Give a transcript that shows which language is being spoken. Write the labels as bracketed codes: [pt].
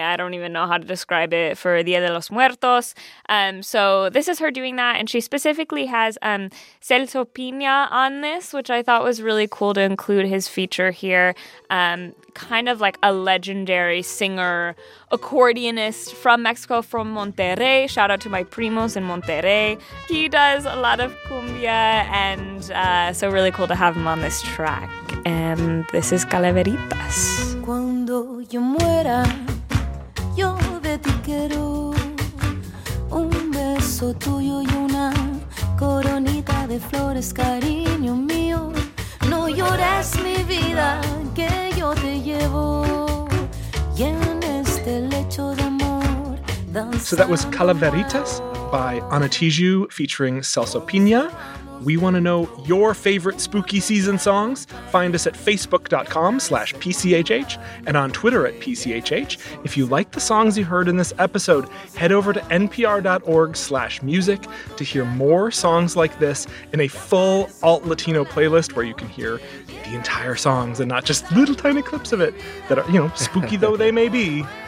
[en] I don't even know how to describe it for Dia de los Muertos. So this is her doing that. And she specifically has Celso Piña on this, which I thought was really cool to include his feature here. Kind of like a legendary singer, accordionist from Mexico, from Monterrey. Shout out to my primos in Monterrey. He does a lot of cumbia, and so really cool to have him on this track. And this is Calaveritas. [es] Cuando yo muera, yo de ti quiero un beso tuyo y una coronita de flores, cariño mío. No llores, mi vida, que yo te llevo. Y en este lecho de amor, danzamos. [en] So that was Calaveritas by Ana Tijoux featuring Celso Piña. We want to know your favorite spooky season songs. Find us at facebook.com/PCHH and on Twitter at PCHH. If you like the songs you heard in this episode, head over to npr.org/music to hear more songs like this in a full Alt Latino playlist where you can hear the entire songs and not just little tiny clips of it that are, you know, spooky though they may be.